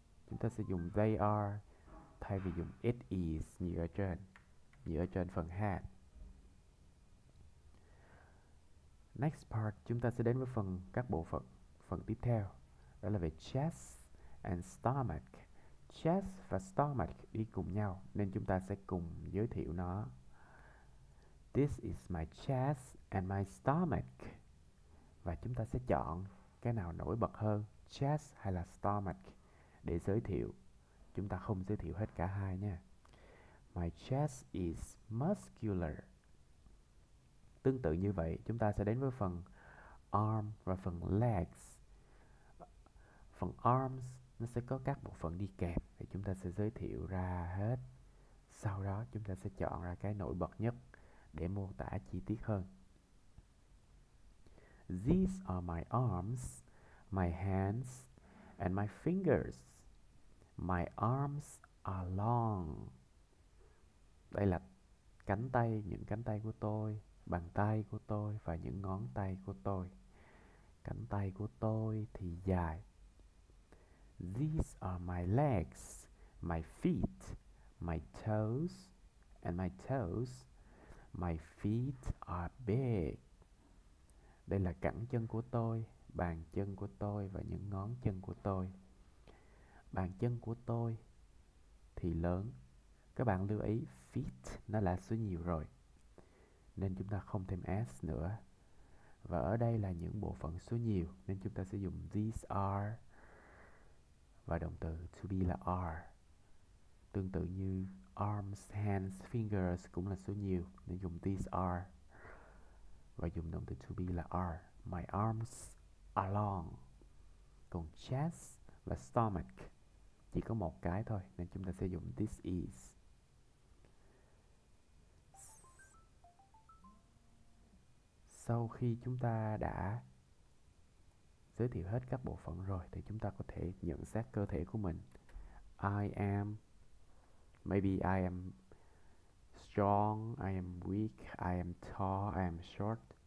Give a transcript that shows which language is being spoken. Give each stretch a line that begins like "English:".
Vietnamese: Chúng ta sẽ dùng they are thay vì dùng it is như ở trên. Như ở trên phần head. Next part, chúng ta sẽ đến với phần các bộ phận, phần tiếp theo. Đó là về chest and stomach. Chest và stomach đi cùng nhau, nên chúng ta sẽ cùng giới thiệu nó.
English: This is my chest and my stomach.
Vietnamese: Và chúng ta sẽ chọn cái nào nổi bật hơn, chest hay là stomach, để giới thiệu. Chúng ta không giới thiệu hết cả hai nha.
English: My chest is muscular.
Vietnamese: Tương tự như vậy, chúng ta sẽ đến với phần arm và phần legs. Phần arms, nó sẽ có các bộ phận đi kèm thì chúng ta sẽ giới thiệu ra hết. Sau đó, chúng ta sẽ chọn ra cái nổi bật nhất để mô tả chi tiết hơn.
English: These are my arms, my hands, and my fingers. My arms are long.
Vietnamese: Đây là cánh tay, những cánh tay của tôi. Bàn tay của tôi và những ngón tay của tôi. Cánh tay của tôi thì dài.
English: These are my legs, my feet, my toes, and my toes. My feet are big.
Vietnamese: Đây là cẳng chân của tôi, bàn chân của tôi và những ngón chân của tôi. Bàn chân của tôi thì lớn. Các bạn lưu ý, feet nó là số nhiều rồi. Nên chúng ta không thêm S nữa. Và ở đây là những bộ phận số nhiều. Nên chúng ta sẽ dùng these are. Và động từ to be là are. Tương tự như arms, hands, fingers cũng là số nhiều. Nên dùng these are. Và dùng động từ to be là are.
English: My arms are long.
Vietnamese: Còn chest và stomach chỉ có một cái thôi. Nên chúng ta sẽ dùng this is. Sau khi chúng ta đã giới thiệu hết các bộ phận rồi thì chúng ta có thể nhận xét cơ thể của mình.
English: I am, maybe I am strong, I am weak, I am tall, I am short.